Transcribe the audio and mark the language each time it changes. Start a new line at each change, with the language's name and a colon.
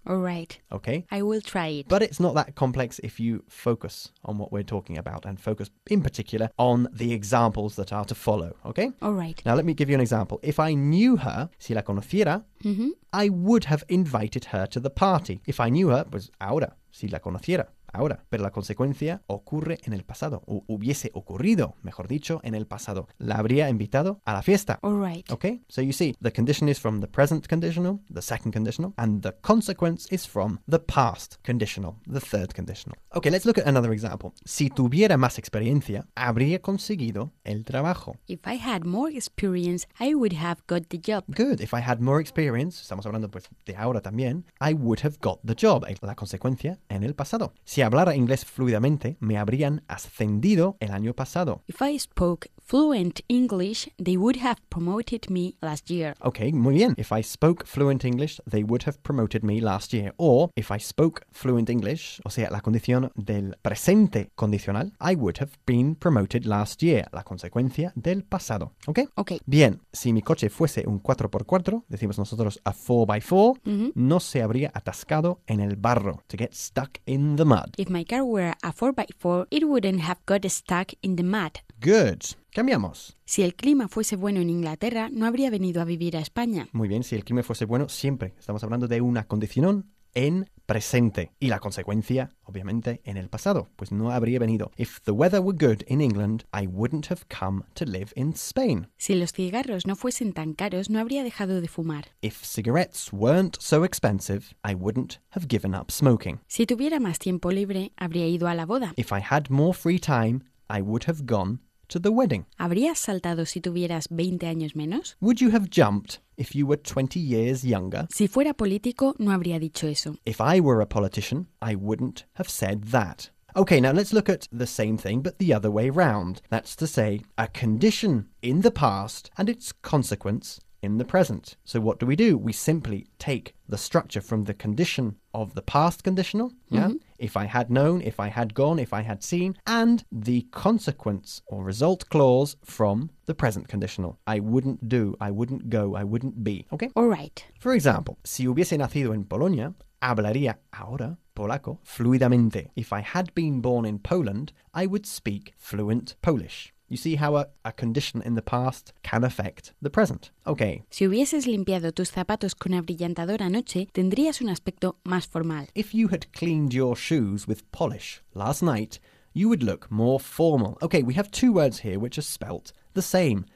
English: All right. Okay? I will try it. But it's not that complex if you focus on what we're talking about, and focus in particular on the examples that are to follow, okay? All right. Now, let me give you an example. If I knew her,
Spanish: si la conociera,
English: I would have invited her to the party. If I knew her,
Spanish: pues ahora, si la conociera. Ahora, pero la consecuencia ocurre en el pasado, o hubiese ocurrido, mejor dicho, en el pasado. La habría invitado a la fiesta.
English: All right. Okay, so you see, the condition is from the present conditional, the second conditional, and the consequence is from the past conditional, the third conditional. Okay, let's look at another example.
Spanish: Si tuviera más experiencia, habría conseguido el trabajo.
English: If I had more experience, I would have got the job. Good, if I had more experience,
Spanish: estamos hablando pues de ahora también,
English: I would have got the job,
Spanish: la consecuencia en el pasado. Si hablara inglés fluidamente, me habrían ascendido el año pasado.
English: If I spoke fluent English, they would have promoted me last year.
Spanish: Okay, muy bien.
English: If I spoke fluent English, they would have promoted me last year. Or, if I spoke fluent English,
Spanish: o sea, la condición del presente condicional,
English: I would have been promoted last year.
Spanish: La consecuencia del pasado. Okay?
English: Okay.
Spanish: Bien, si mi coche fuese un 4x4, decimos nosotros a 4x4, no se habría atascado en el barro.
English: To get stuck in the mud. If my car were a 4x4, it wouldn't have got stuck in the mud. Good.
Spanish: Cambiamos. Si el clima fuese bueno en Inglaterra, no habría venido a vivir a España. Muy bien, si el clima fuese bueno, siempre. Estamos hablando de una condición en presente. Y la consecuencia, obviamente, en el pasado. Pues no habría venido.
English: If the weather were good in England, I wouldn't have come to live in Spain.
Spanish: Si los cigarros no fuesen tan caros, no habría dejado de fumar.
English: If cigarettes weren't so expensive, I wouldn't have given up smoking.
Spanish: Si tuviera más tiempo libre, habría ido a la boda.
English: If I had more free time, I would have gone to the wedding.
Spanish: ¿Habrías saltado si tuvieras 20 años menos?
English: Would you have jumped if you were 20 years younger?
Spanish: Si fuera político, no habría dicho eso.
English: If I were a politician, I wouldn't have said that. Okay, now let's look at the same thing, but the other way round. That's to say, a condition in the past and its consequence in the present. So what do? We simply take the structure from the condition of the past conditional, yeah? If I had known, if I had gone, if I had seen, and the consequence or result clause from the present conditional. I wouldn't do, I wouldn't go, I wouldn't be, okay? All right. For example,
Spanish: si hubiese nacido en Polonia, hablaría ahora polaco fluidamente.
English: If I had been born in Poland, I would speak fluent Polish. You see how a condition in the past can affect the present. Okay.
Spanish: Si hubieses limpiado tus zapatos con abrillantador anoche, tendrías un aspecto más formal.
English: If you had cleaned your shoes with polish last night, you would look more formal. Okay, we have two words here which are spelt the same.